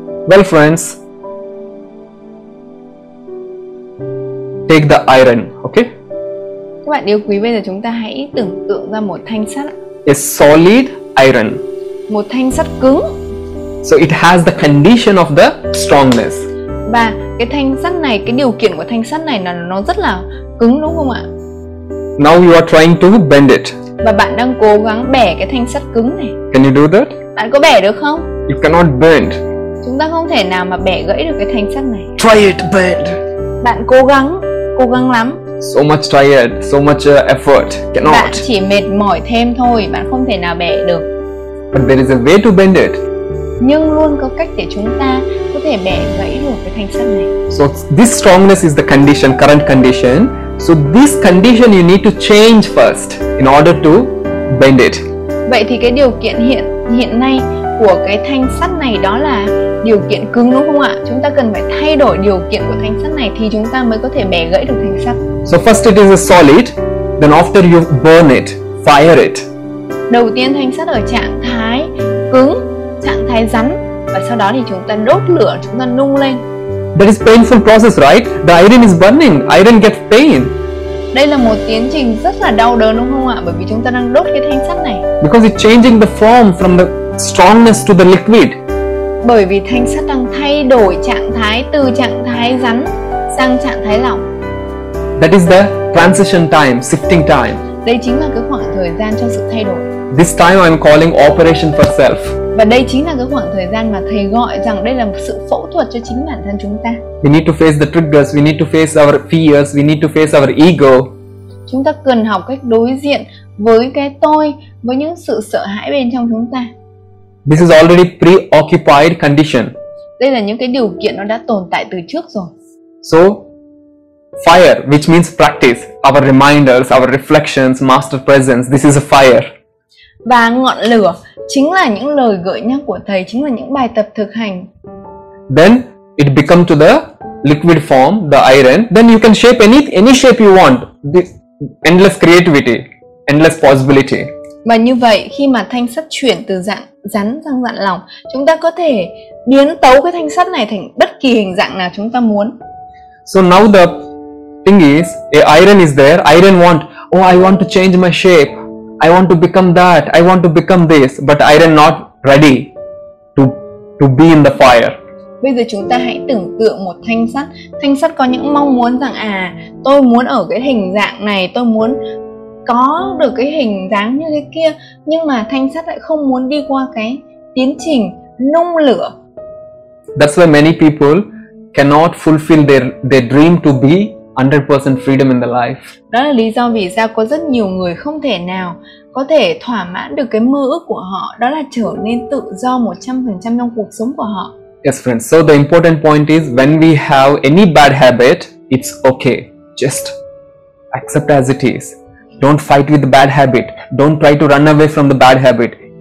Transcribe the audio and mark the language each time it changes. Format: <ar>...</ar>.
<en>Well friends, take the iron, okay?</en> <vi>Các bạn yêu quý, bây giờ chúng ta hãy tưởng tượng ra một thanh sắt.</vi> <en>a solid iron.</en> <vi>Một thanh sắt cứng.</vi> <en>So it has the condition of the strongness.</en> <vi>Và cái thanh sắt này, cái điều kiện của thanh sắt này là nó rất là cứng đúng không ạ?</vi> <en>Now you are trying to bend it.</en> <vi>Và bạn đang cố gắng bẻ cái thanh sắt cứng này.</vi> <en>Can you do that?</en> <vi>Bạn có bẻ được không?</vi> <en>You cannot bend.</en> <vi>Chúng ta không thể nào mà bẻ gãy được cái thanh sắt này.</vi> <en>Try it, bend.</en> <vi>Bạn cố gắng lắm.</vi> <en>So much tired, so much effort, cannot.</en> <vi>Bạn chỉ mệt mỏi thêm thôi, bạn không thể nào bẻ được.</vi> <en>But there is a way to bend it.</en> <vi>Nhưng luôn có cách để chúng ta có thể bẻ gãy được cái thanh sắt này.</vi> <en>So this strongness is the condition, current condition. So this condition you need to change first in order to bend it.</en> <vi>Vậy thì cái điều kiện hiện nay của cái thanh sắt này đó là điều kiện cứng đúng không ạ? Chúng ta cần phải thay đổi điều kiện của thanh sắt này thì chúng ta mới có thể bẻ gãy được thanh sắt.</vi> <en>So first it is a solid, then after you burn it, fire it.</en> <vi>Đầu tiên thanh sắt ở trạng thái cứng, trạng thái rắn, và sau đó thì chúng ta đốt lửa, chúng ta nung lên.</vi> <en>That is painful process, right? The iron is burning. Iron gets pain.</en> <vi>Đây là một tiến trình rất là đau đớn đúng không ạ? Bởi vì chúng ta đang đốt cái thanh sắt này.</vi> <en>Because it's changing the form from the strongness to the liquid.</en> <vi>Bởi vì thanh sắt đang thay đổi trạng thái từ trạng thái rắn sang trạng thái lỏng.</vi> <en>That is the transition time, shifting time.</en> <vi>Đây chính là cái khoảng thời gian cho sự thay đổi.</vi> <en>This time I'm calling operation for self.</en> <vi>Và đây chính là cái khoảng thời gian mà thầy gọi rằng đây là sự phẫu thuật cho chính bản thân chúng ta.</vi> <en>We need to face the triggers, we need to face our fears, we need to face our ego.</en> <vi>Chúng ta cần học cách đối diện với cái tôi, với những sự sợ hãi bên trong chúng ta.</vi> <en>This is already preoccupied condition.</en> <vi>Đây là những cái điều kiện nó đã tồn tại từ trước rồi.</vi> <en>So, fire, which means practice, our reminders, our reflections, master presence, this is a fire.</en> <vi>Và ngọn lửa chính là những lời gợi nhắc của thầy, chính là những bài tập thực hành.</vi> <en>Then it become to the liquid form, the iron. Then you can shape any shape you want. This endless creativity, endless possibility.</en> <vi>Và như vậy, khi mà thanh sắt chuyển từ dạng rắn sang dạng lỏng, chúng ta có thể biến tấu cái thanh sắt này thành bất kỳ hình dạng nào chúng ta muốn.</vi> <en>So now the thing is, a iron is there. Iron want, oh, I want to change my shape. I want to become that, I want to become this, but iron not ready to be in the fire.</en> <vi>Bây giờ chúng ta hãy tưởng tượng một thanh sắt. Thanh sắt có những mong muốn rằng tôi muốn ở cái hình dạng này, tôi muốn có được cái hình dáng như thế kia. Nhưng mà thanh sắt lại không muốn đi qua cái tiến trình nung lửa.</vi> <en>That's why many people cannot fulfill their dream to be 100% freedom in the life.</en> <vi>Đó là lý do vì sao có rất nhiều người không thể nào có thể thỏa mãn được cái mơ ước của họ, đó là trở nên tự do 100% trong cuộc sống của họ.</vi> <en>Yes friends, so the important point is when we have any bad habit, it's okay. Just accept as it is. Don't fight with the bad habit. Don't try to run away from the bad habit.</en>